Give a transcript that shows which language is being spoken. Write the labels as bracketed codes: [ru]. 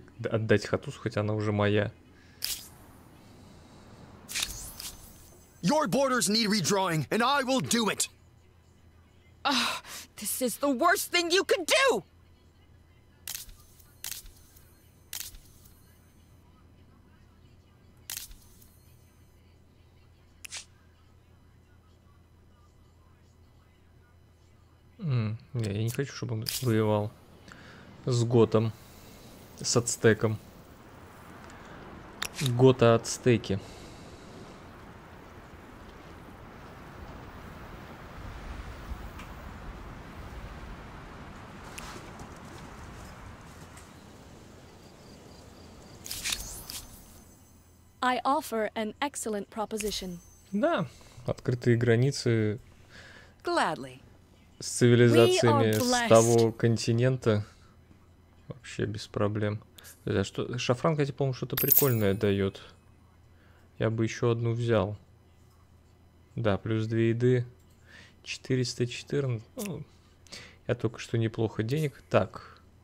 [ru] Отдать Хатус, хотя она уже моя. [en] Your borders need redrawing, and I will do it. This is the worst thing you could do! [ru] Не, я не хочу, чтобы он воевал с готом, с ацтеком. Гота-ацтеки. [en] I offer an excellent proposition. [ru] Да, открытые границы. [en] Gladly. [ru] С цивилизациями с того континента вообще без проблем. А что, шафран, кстати, по-моему, что-то прикольное дает. Я бы еще одну взял. Да, плюс 2 еды. 414. Ну, я только что неплохо денег. Так.